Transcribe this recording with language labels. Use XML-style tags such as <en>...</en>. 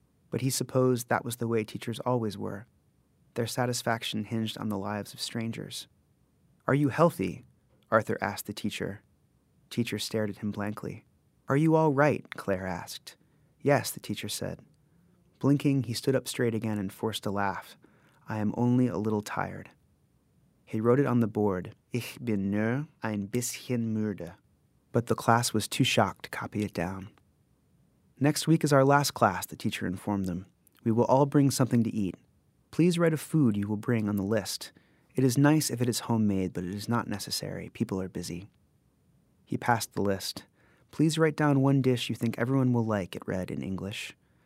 <en>But he supposed that was the way teachers always were. Their satisfaction hinged on the lives of strangers. "Are you healthy?" Arthur asked the teacher. Teacher stared at him blankly. "Are you all right?" Claire asked. "Yes," the teacher said. Blinking, he stood up straight again and forced a laugh. "I am only a little tired." He wrote it on the board,</en> <de>"Ich bin nur ein bisschen müde."</de> <en>But the class was too shocked to copy it down. "Next week is our last class," the teacher informed them. "We will all bring something to eat. Please write a food you will bring on the list. It is nice if it is homemade, but it is not necessary. People are busy." He passed the list. "Please write down one dish you think everyone will like," it read in English.</en>